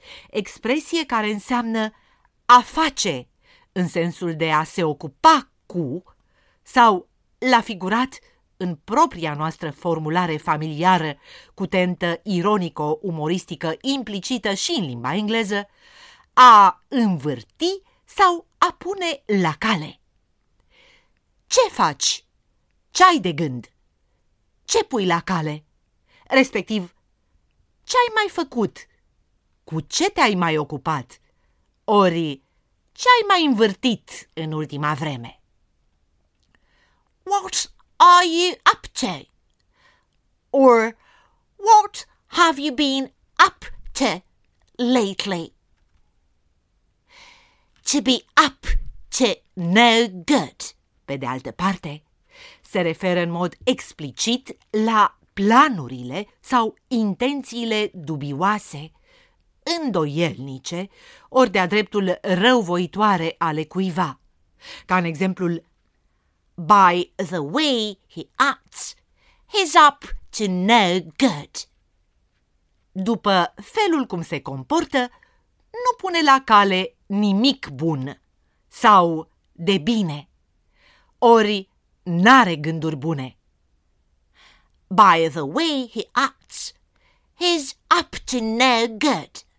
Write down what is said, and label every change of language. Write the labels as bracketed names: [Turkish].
[Romanian] Expresie care înseamnă a face, în sensul de a se ocupa cu, sau l-a figurat în propria noastră formulare familiară, cu tentă ironico-umoristică implicită și în limba engleză, a învârti sau a pune la cale. Ce faci? Ce ai de gând? Ce pui la cale? Respectiv, ce ai mai făcut? Cu ce te-ai mai ocupat? Ori, ce ai mai învârtit în ultima vreme? [English] What are you up to? Or, what have you been up to lately? To be up to no good, [Romanian] pe de altă parte, se referă în mod explicit la planurile sau intențiile dubioase, îndoielnice, ori de-a dreptul răuvoitoare ale cuiva. Ca în exemplul [English] By the way he acts, he's up to no good. [Romanian] După felul cum se comportă, nu pune la cale nimic bun sau de bine. Ori n-are gânduri bune. [English] By the way he acts, he's up to no good.